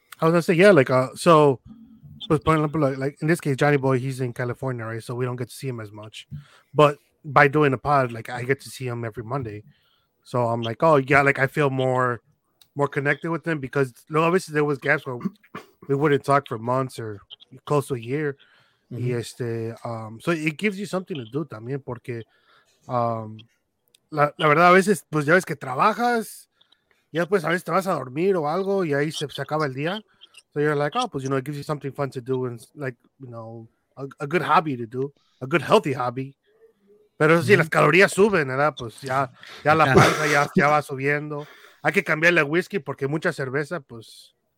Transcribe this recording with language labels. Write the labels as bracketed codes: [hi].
[en] I was gonna say, yeah, like, so, in this case, Johnny Boy, he's in California, right? So we don't get to see him as much. But by doing a pod, like, I get to see him every Monday. So I'm like, oh yeah, like I feel more connected with them because obviously there was gaps where we wouldn't talk for months or close to a year. Mm-hmm. So it gives you something to do [es] también porque la verdad a veces pues ya ves que trabajas y después a veces te vas a dormir o algo y ahí se acaba el día. [en] So you're like, oh, pues you know, it gives you something fun to do and like, you know, a good hobby to do, a good healthy hobby. [es] Pero eso sí, las calorías suben, ¿verdad? Pues ya la panza ya va subiendo. Hay que cambiarle a whisky porque mucha cerveza, pues...